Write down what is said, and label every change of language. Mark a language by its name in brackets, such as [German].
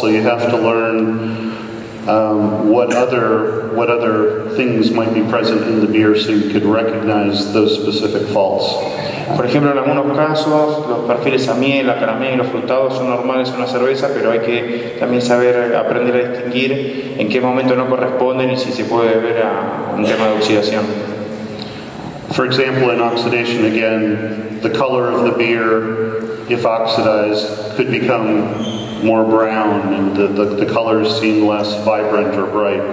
[English] So you have to learn what other things might be present in the beer so you could recognize those specific faults. [Spanish] Por ejemplo, en algunos casos, los perfiles a miel, a caramelo, frutados son normales en una cerveza, pero hay que también saber aprender a distinguir en qué momento no corresponden y si se puede ver a un tema de oxidación. [English] For example, in oxidation, again, the color of the beer, if oxidized, could become more brown, and the colors seem less vibrant or bright.